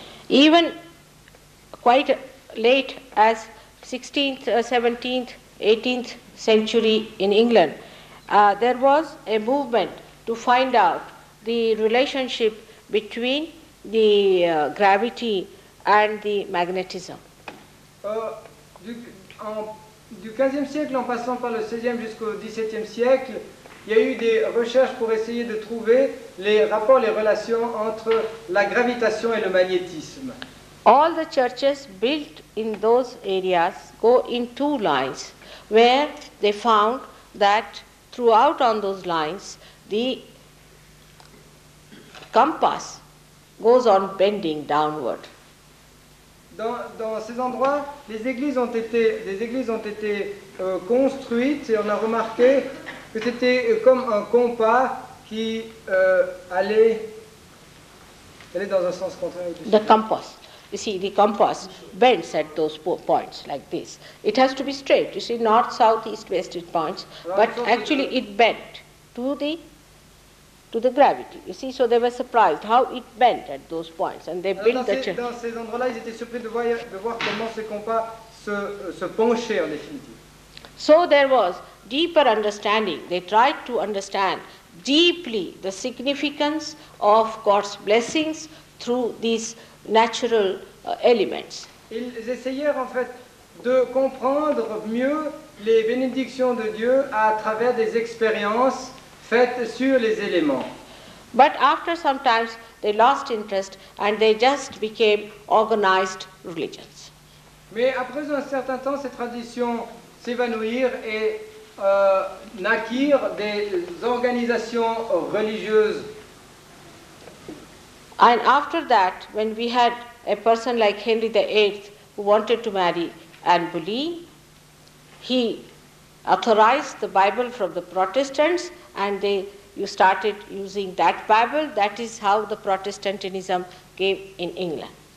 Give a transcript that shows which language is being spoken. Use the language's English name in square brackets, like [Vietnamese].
[English] Even quite late as 16th, 17th, 18th century in England, there was a movement to find out the relationship between the gravity and the magnetism. [French] Du 15e siècle, en passant par le 16e jusqu'au 17e siècle, il y a eu des recherches pour essayer de trouver les rapports, les relations entre la gravitation et le magnétisme. [English] All the churches built in those areas go in two lines, where they found that throughout on those lines, the compass goes on bending downward. [French] Dans ces endroits, les églises ont été construites et on a remarqué que c'était comme un compas qui allait dans un sens contraire. [English] The compass. You see, the compass bends at those points like this. It has to be straight. You see, north, south, east, west, it points. But actually, it bent to the gravity. You see, so they were surprised how it bent at those points, and they built the church. [French] Dans ces endroits-là, ils étaient surpris de voir comment ces compas se penchaient en définitive. [English] So there was deeper understanding. They tried to understand deeply the significance of God's blessings through these natural elements. [French] Ils essayèrent en fait de comprendre mieux les bénédictions de Dieu à travers des expériences faites sur les éléments. [English] But after some time, they lost interest and they just became organized religions. [French] Mais après un certain temps, ces traditions s'évanouirent et naquirent des organisations religieuses. [English] And after that, when we had a person like Henry VIII who wanted to marry Anne Boleyn, he authorized the Bible from the Protestants, and you started using that Bible. That is how the Protestantism came in England.